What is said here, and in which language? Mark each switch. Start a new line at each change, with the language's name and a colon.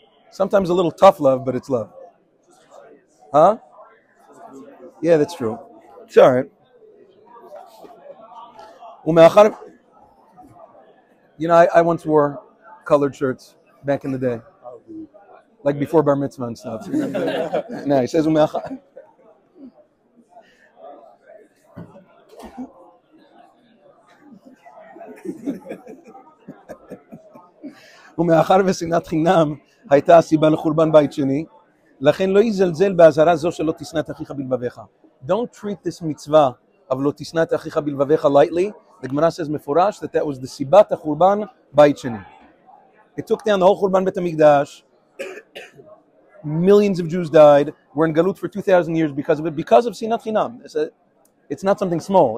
English: Sometimes a little tough love, but it's love. Huh? Yeah, that's true. It's all right. You know, I once wore colored shirts back in the day. Like before bar mitzvah and stuff. No, he says,
Hebrew: ומאחר ושנאת חינם הייתה הסיבה לחורבן בית שני, לכן לא יזלזל באזהרה זו שלא תשנא את אחיך בלבביך.
English: Don't treat this mitzvah of
Hebrew: לא תשנא את אחיך בלבביך
English: lightly. The Gemara says מפורש that that was the
Hebrew: סיבת החורבן בית שני.
English: It took down the whole
Hebrew: חורבן בית המקדש.
English: Millions of Jews died. We're in Galut for 2,000 years because of it, because of sinat chinam. It's not something small.